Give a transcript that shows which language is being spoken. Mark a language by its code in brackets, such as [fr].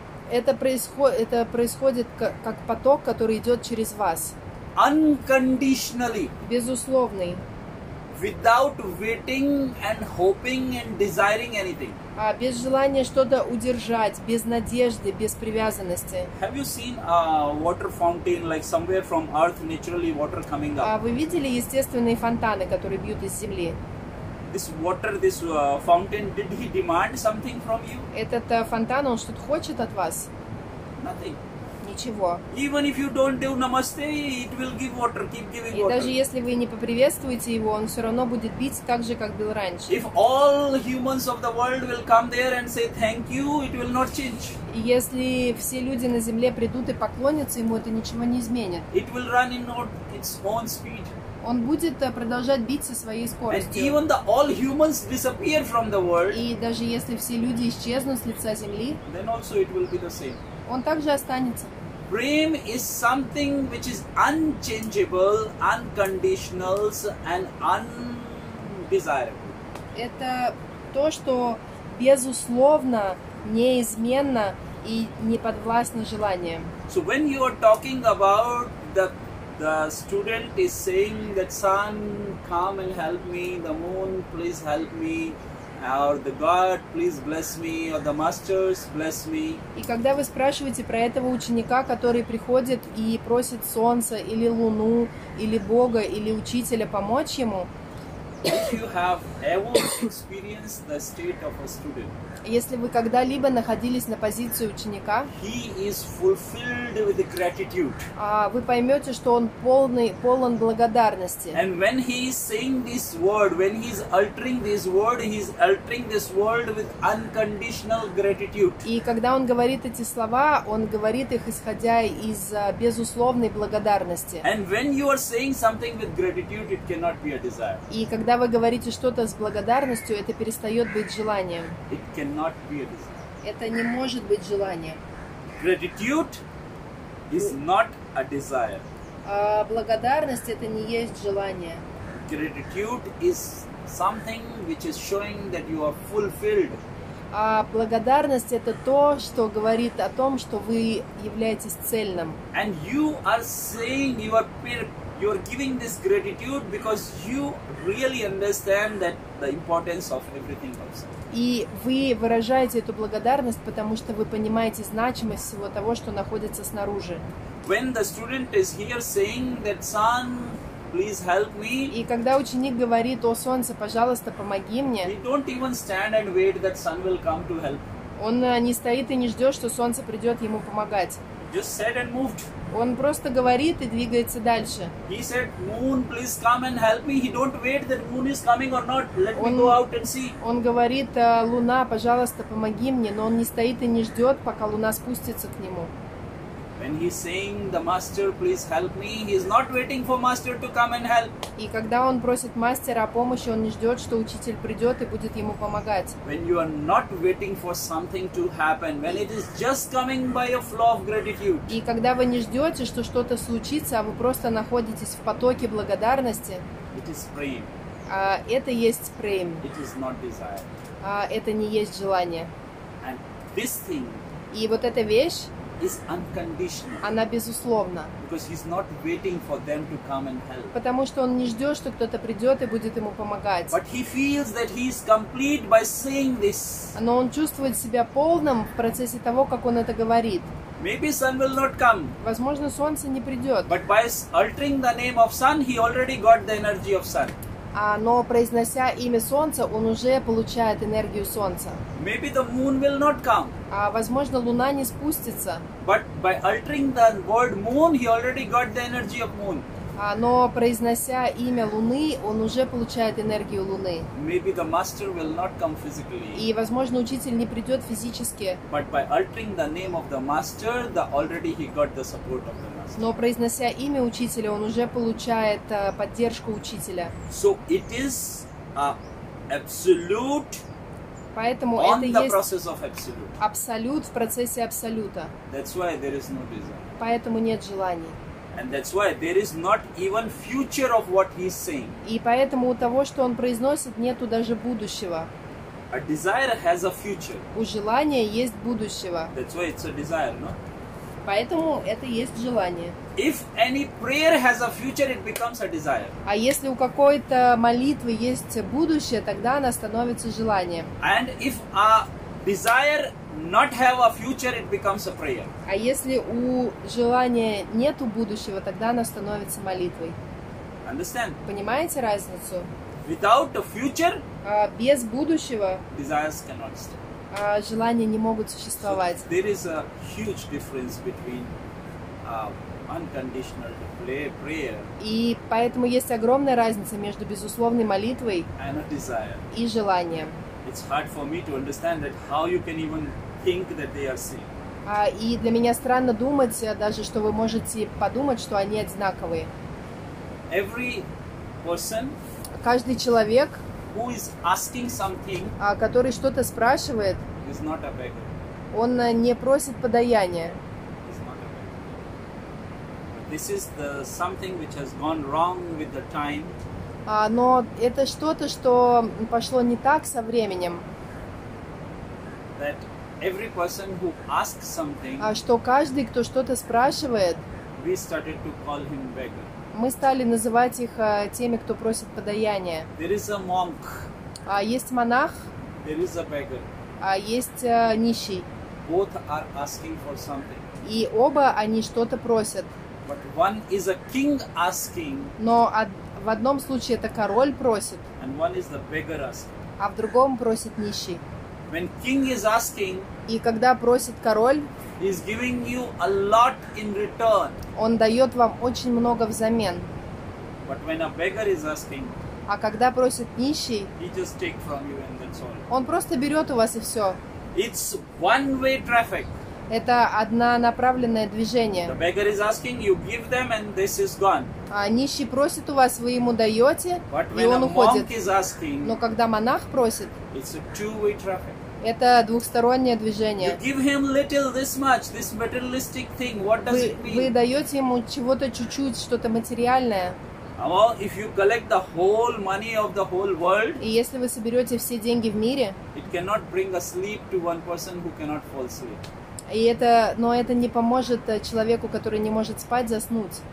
[ru] Это происходит как поток, который идет через вас. [en] Unconditionally. [ru] Безусловный. [en] Without waiting and hoping and desiring anything. [ru] Без желания что-то удержать, без надежды, без привязанности. [en] Have you seen a water fountain like somewhere from earth naturally water coming up? [ru] Вы видели естественные фонтаны, которые бьют из земли? [en] This water, this fountain, did he demand something from you? [ru] Этот фонтан, он что-то хочет от вас? [en] Nothing. [ru] Ничего. [en] Even if you don't do namaste, it will give water. Keep giving water. [ru] И даже если вы не поприветствуете его, он все равно будет бить так же, как бил раньше. [en] If all humans of the world will come there and say thank you, it will not change. [ru] И если все люди на земле придут и поклонятся ему, это ничего не изменит. [en] It will run in its own speed. [ru] Он будет продолжать бить со своей скоростью. [en] And even the all humans disappear from the world. [ru] И даже если все люди исчезнут с лица земли, [en] then also it will be the same. [ru] Он также останется. [en] Prem is something which is unchangeable, unconditional, and undesirable. [ru] Это то, что безусловно, неизменно и не подвластно желаниям. [en] So when you are talking about the student is saying that sun, come and help me, the moon, please help me, or the God, please bless me, or the masters, bless me. [ru] И когда вы спрашиваете про этого ученика, который приходит и просит солнце или луну или Бога или учителя помочь ему, [en] if you have ever experienced the state of a student, [ru] если вы когда-либо находились на позиции ученика, [en] he is fulfilled with gratitude. [ru] Вы поймете, что он полон благодарности. [en] And when he is saying this word, when he is uttering this word, he is uttering this word with unconditional gratitude. [ru] И когда он говорит эти слова, он говорит их исходя из безусловной благодарности. [en] And when you are saying something with gratitude, it cannot be a desire. [ru] И когда вы говорите что-то с благодарностью, это перестает быть желанием. [en] Cannot be a desire. [ru] Это не может быть желанием. [en] Gratitude is not a desire. [ru] Благодарность это не есть желание. [en] Gratitude is something which is showing that you are fulfilled. [ru] Благодарность это то, что говорит о том, что вы являетесь цельным. [en] And you are saying you are giving this gratitude because you really understand that the importance of everything else. [ru] И вы выражаете эту благодарность, потому что вы понимаете значимость всего того, что находится снаружи. [en] When the student is here saying that sun, please help me. [ru] И когда ученик говорит: «О солнце, пожалуйста, помоги мне». [en] He don't even stand and wait that sun will come to help. [ru] Он не стоит и не ждет, что солнце придет ему помогать. [en] Just said and moved. [ru] Он просто говорит и двигается дальше. [en] He said, moon, please come and help me. He don't wait that moon is coming or not. Let me go out and see. [ru] Он говорит: луна, пожалуйста, помоги мне. Но он не стоит и не ждет, пока луна спустится к нему. [en] When he's saying, the master, please help me, he's not waiting for master to come and help. [ru] И когда он просит мастера о помощи, он не ждет, что учитель придет и будет ему помогать. [en] When you are not waiting for something to happen, when it is just coming by a flow of gratitude. [ru] И когда вы не ждете, что что-то случится, а вы просто находитесь в потоке благодарности. [en] It is praying. [ru] Это есть [en] praying. It is not desire. [ru] Это не есть желание. [en] And this thing. [ru] И вот эта вещь. [en] Is unconditional. [ru] Она безусловна. [en] Because he's not waiting for them to come and help. [ru] Потому что он не ждет, что кто-то придет и будет ему помогать. [en] But he feels that he is complete by saying this. [ru] Но он чувствует себя полным в процессе того, как он это говорит. [en] Maybe sun will not come. [ru] Возможно, солнце не придет. [en] But by uttering the name of sun, he already got the energy of sun. [ru] Но произнося имя солнца, он уже получает энергию солнца. [en] Maybe the moon will not come. [ru] Возможно, луна не спустится. [en] But by uttering the word moon, he already got the energy of moon. [ru] Но произнося имя луны, он уже получает энергию луны. [en] Maybe the master will not come physically. [ru] И возможно, учитель не придет физически. [en] But by uttering the name of the master, the already he got the support of the master. [ru] Но произнося имя учителя, он уже получает поддержку учителя. [en] So it is a absolute. [ru] Поэтому [en] on [ru] это [en] the [ru] есть [en] process of absolute. [ru] Абсолют в процессе абсолюта. [en] That's why there is no desire. [ru] Поэтому нет желаний. [en] And that's why there is not even future of what he is saying. [ru] И поэтому у того, что он произносит, нету даже будущего. [en] A desire has a future. [ru] У желания есть будущего. [en] That's why it's a desire, no? [ru] Поэтому это есть желание. [en] If any prayer has a future, it becomes a desire. [ru] А если у какой-то молитвы есть будущее, тогда она становится желанием. [en] And if a desire not have a future, it becomes a prayer. [ru] А если у желания нету будущего, тогда она становится молитвой. [en] Understand? [ru] Понимаете разницу? [en] Without a future, [ru] без будущего, [en] desires cannot stay. [ru] Желания не могут существовать. [en] So there is a huge difference between unconditional prayer. [ru] И поэтому есть огромная разница между безусловной молитвой [en] and a desire. [ru] И желанием. [en] It's hard for me to understand that how you can even think that they are same. [ru] И для меня странно думать даже, что вы можете подумать, что они одинаковые. [en] Every person. [ru] Каждый человек. [en] Who is asking something? [ru] Который что-то спрашивает. [en] Is not a beggar. [ru] Он не просит подаяния. [en] Is not a beggar. This is the something which has gone wrong with the time. [ru] Но это что-то, что пошло не так со временем. [en] That every person who asks something. [ru] Что каждый, кто что-то спрашивает. [en] We started to call him beggar. [ru] Мы стали называть их теми, кто просит подаяния. [en] There is a monk. [ru] Есть монах. [en] There is a beggar. [ru] А есть нищий. [en] Both are asking for something. [ru] И оба они что-то просят. [en] But one is a king asking. [ru] Но в одном случае это король просит. [en] And one is the beggar asking. [ru] А в другом просит нищий. [en] When king is asking, [ru] и когда просит король, [en] he's giving you a lot in return. [ru] Он дает вам очень много взамен. [en] But when a beggar is asking, [ru] а когда просит нищий, [en] he just take from you and that's all. [ru] Он просто берет у вас и все. [en] It's one-way traffic. [ru] Это однонаправленное движение. [en] The beggar is asking, you give them and this is gone. [ru] А нищий просит у вас, вы ему даете, [en] but [ru] и он уходит. [en] Asking, [ru] но когда монах просит, [en] it's a two-way traffic. [ru] Это двухстороннее движение. [en] You give him little, this much, this materialistic thing. What does it mean? [ru] Вы даете ему чего-то чуть-чуть, что-то материальное. [en] Well, if you collect the whole money of the whole world, [ru] и если вы соберете все деньги в мире, [en] it cannot bring a sleep to one person who cannot fall asleep. [ru] И это, но это не поможет человеку, который не может спать, заснуть.